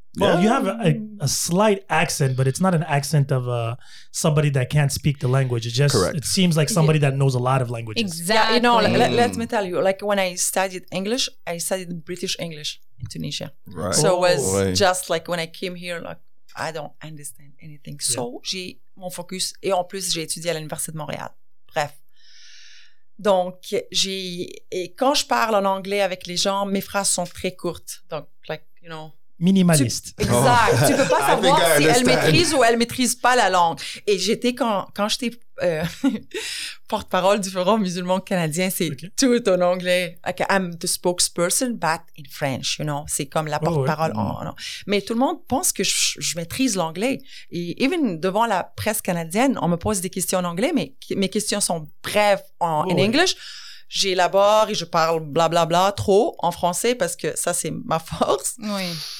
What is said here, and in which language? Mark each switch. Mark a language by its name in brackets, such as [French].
[English] Well, you have a slight accent, but it's not an accent of somebody that can't speak the language. It just it seems like somebody that knows a lot of languages. Exactly. Yeah, you know, let me tell you, like when I studied English, I studied British English in Tunisia. Right. So it was just like when I came here, like, I don't understand anything. [French] So j'ai mon focus. Et en plus, j'ai étudié à l'Université de Montréal. Bref. Donc, et quand je parle en anglais avec les gens, mes phrases sont très courtes. [English] Donc, like, you know. [French] Minimaliste. Exact. Oh. Tu peux pas savoir si elle maîtrise ou elle maîtrise pas la langue. Et j'étais quand j'étais porte-parole du Forum musulman canadien, c'est tout en anglais. [English] Okay, I'm the spokesperson, but in French, you know. [French] C'est comme la porte-parole. Mais tout le monde pense que je maîtrise l'anglais. Et even devant la presse canadienne, on me pose des questions en anglais, mais mes questions sont brèves en English. J'élabore et je parle blablabla trop en français parce que ça, c'est ma force. Oui.